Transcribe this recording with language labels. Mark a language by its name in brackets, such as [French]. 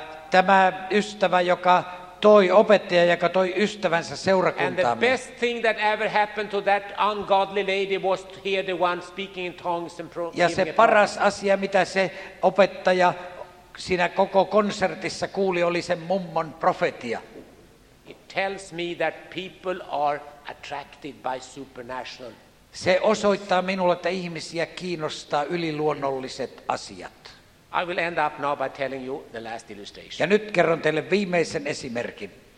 [Finnish] Tämä ystävä, joka toi opettaja, joka toi ystävänsä seurakuntaamme. [English] And the best thing that ever happened to that ungodly lady was to hear the one speaking in tongues and praying. [Finnish] Ja se paras asia, mitä se opettaja siinä koko konsertissa kuuli, oli sen mummon profetia. [English] It tells me that people are attracted by supernatural. [Finnish] Se osoittaa minulle, että ihmisiä kiinnostaa yliluonnolliset asiat. [English] I will end up now by telling you the last illustration. [Finnish] Ja nyt kerron teille viimeisen esimerkin.